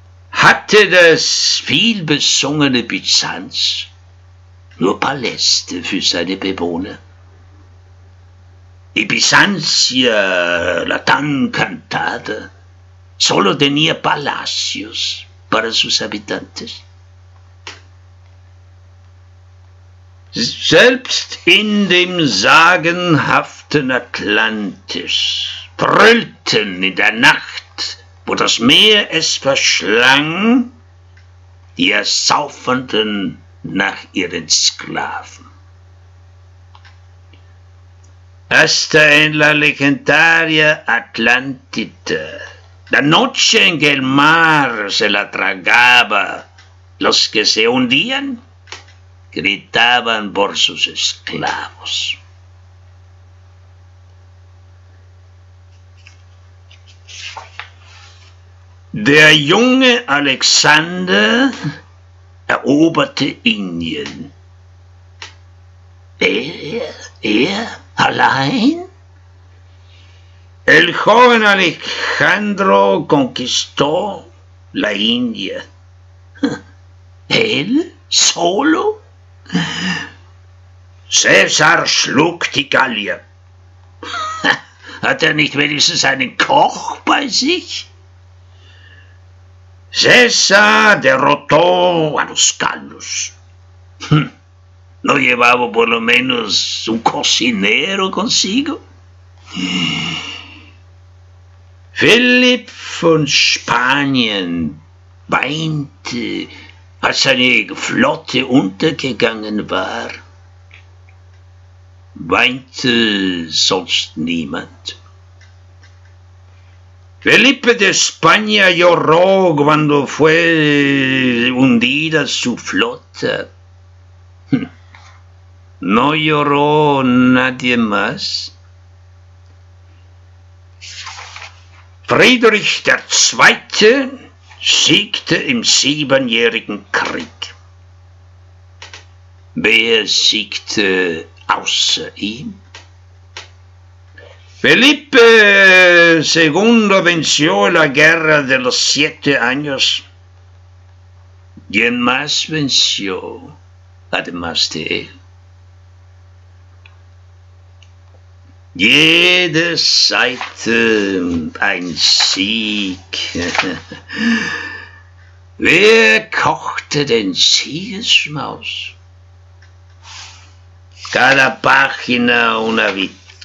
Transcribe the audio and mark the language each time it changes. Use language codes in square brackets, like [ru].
[de] ¿Hatte das viel besungene Byzanz nur Paläste für seine Bewohner? [es] ¿Y Bizancia, la tan cantada, solo tenía palacios para sus habitantes? [de] Selbst in dem sagenhaften Atlantis brüllten in der Nacht, wo das Meer es verschlang, die Ersaufenden nach ihren Sklaven. [es] Hasta en la legendaria Atlántida, la noche en que el mar se la tragaba, los que se hundían gritaban por sus esclavos. [de] Der junge Alexander eroberte Indien. ¿Er allein? [es] El joven Alejandro conquistó la India. ¿Él solo? [de] César schlug die Gallier. ¿Hat nicht wenigstens einen Koch bei sich? [es] César derrotó a los galos. ¿No llevaba por lo menos un cocinero consigo? [de] Philipp von Spanien weinte, als seine Flotte untergegangen war, weinte sonst niemand. [es] Felipe de España lloró cuando fue hundida su flota. ¿No lloró nadie más? [de] Friedrich der Zweite siegte im Siebenjährigen Krieg. Wer siegte außer ihm? [es] Felipe II venció la guerra de los 7 años. ¿Quién más venció, además de él? [de] Jede Seite ein Sieg. Wer kochte den Siegesschmaus? [es] Cada página una victoria.